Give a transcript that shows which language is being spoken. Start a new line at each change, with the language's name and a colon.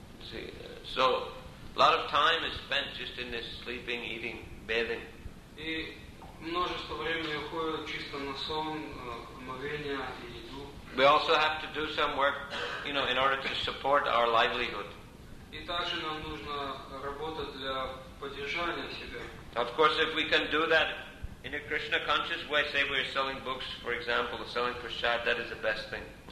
English: See. So a lot of time is spent just in this sleeping, eating, bathing. We also have to do some work, you know, in order to support our livelihood.
Russian: И также нам нужно работать для поддержания себя.
English: Of course, if we can do that in a Krishna conscious way, say we're selling books, for example, or selling prasad, that is the best thing.